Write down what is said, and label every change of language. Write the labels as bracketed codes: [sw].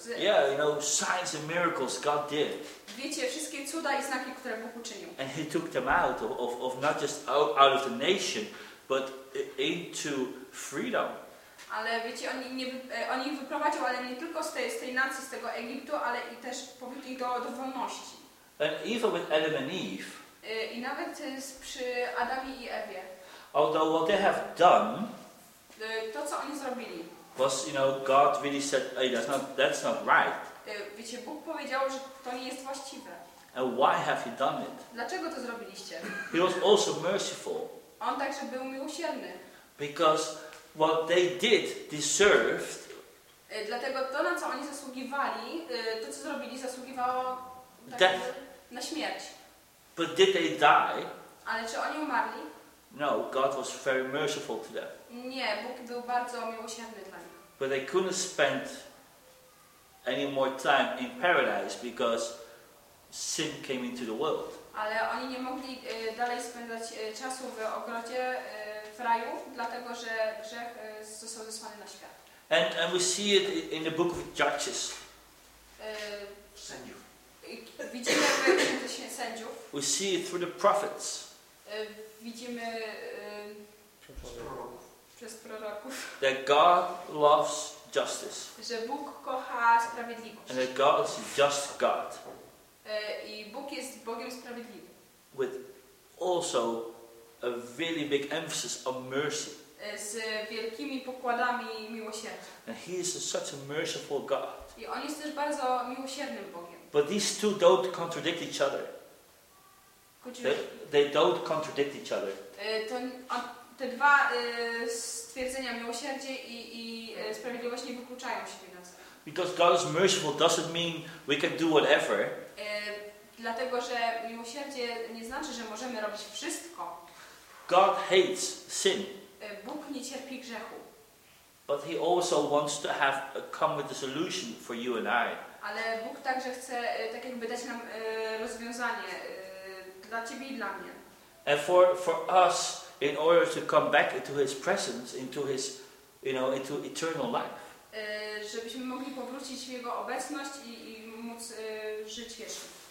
[en] Yeah, you know, signs and miracles God did. [pl] Wiecie, wszystkie cuda i znaki, które Bóg uczynił. [en] And He took them out of not just out of the nation, but into freedom. [pl] Ale wiecie, oni ich wyprowadził, ale nie tylko z tej nacji, z tego Egiptu, ale i też powiedli do wolności. [en] And even with Adam and Eve. [pl] I nawet przy Adamie i Ewie. [en] Although what they have done. [pl] To co oni zrobili. [en] Was, you know, God really said, hey, that's not right. [pl] Wiecie, Bóg powiedział, że to nie jest właściwe. [en] And why have you done it? [pl] Dlaczego to zrobiliście? [en] He was also merciful. [pl] On także był miłosierny. [en] Because what they did deserved. [pl] Dlatego to, na co oni zasługiwali, to co zrobili, zasługiwało [en] death. [pl] Na śmierć. [en] But did they die? [pl] Ale czy oni umarli? [en] No, God was very merciful to them. [pl] Nie, Bóg był bardzo miłosierny dla nich. [en] But they couldn't spend any more time in paradise because sin came into the world. [pl] Ale oni nie mogli dalej spędzać czasu w ogrodzie w raju, dlatego że grzech został zesłany na świat. [en] And we see it in the book of Judges. [pl] Sędziów. Widzimy w Księdze Sędziów. [en] We see it through the prophets. [pl] Widzimy przez proroków. [en] That God loves justice. [pl] Że Bóg kocha sprawiedliwość. [en] And that God is a just God. [pl] I Bóg jest Bogiem sprawiedliwym. [en] With also a really big emphasis on mercy. [pl] Z wielkimi pokładami miłosierdzia. [en] And He is such a merciful God. [pl] I On jest też bardzo miłosiernym Bogiem. [en] But these two don't contradict each other. They don't contradict each other. [pl] Te dwa stwierdzenia, miłosierdzie i sprawiedliwość, nie wykluczają siebie nawzajem. [en] Because God is merciful doesn't mean we can do whatever. [pl] Dlatego, że miłosierdzie nie znaczy, że możemy robić wszystko. [en] God hates sin. [pl] Bóg nie cierpi grzechu. [en] But He also wants to have come with a solution for you and I. [pl] Ale Bóg także chce tak jakby dać nam rozwiązanie dla ciebie i dla mnie. [en] And for us, in order to come back into His presence, into His, you know, into eternal life. [pl] Żebyśmy mogli powrócić w Jego obecność i móc żyć jeszcze.